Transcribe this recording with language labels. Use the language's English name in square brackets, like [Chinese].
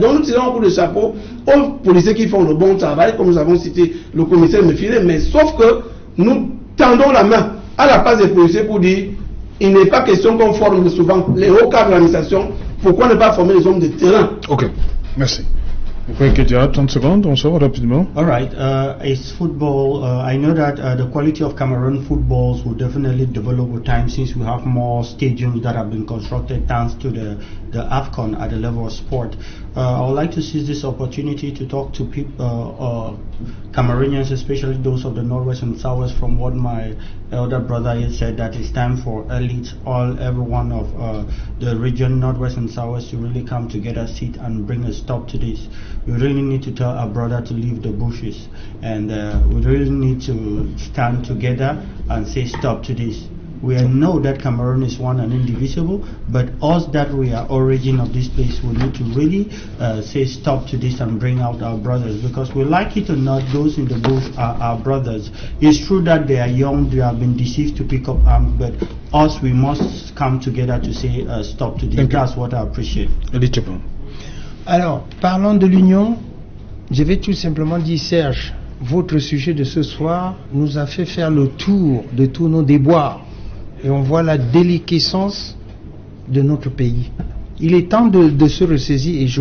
[French] Donc nous tirons un coup de chapeau aux policiers qui font le bon travail, comme nous avons cité le commissaire Mefilet, mais sauf que nous tendons la main à la place des policiers pour dire il n'est pas question qu'on forme souvent les hauts cadres de l'administration. Pourquoi ne pas former les hommes de terrain? Ok, merci. Vous pouvez que dire 30 secondes, on sort rapidement. [English] All right, it's football. I know that the quality of Cameroon footballs will definitely develop with time since we have more stadiums that have been constructed thanks to the AFCON at the level of sport. I would like to seize this opportunity to talk to Cameroonians, especially those of the Northwest and Southwest, from what my elder brother has said, that it's time for elites, everyone of the region, Northwest and Southwest, to really come together, sit and bring a stop to this. We really need to tell our brother to leave the bushes, and we really need to stand together and say stop to this. We know that Cameroon is one and indivisible, but us that we are origin of this place, we need to really say stop to this and bring out our brothers, because we like it or not, those in the bush are our brothers. It's true that they are young, they have been deceived to pick up arms, but us, we must come together to say stop to this. That's what I appreciate. [French] Alors, parlons de l'union. Je vais tout simplement dire, Serge, votre sujet de ce soir nous a fait faire le tour de tous nos déboires. Et on voit la déliquescence de notre pays. Il est temps de se ressaisir. Et je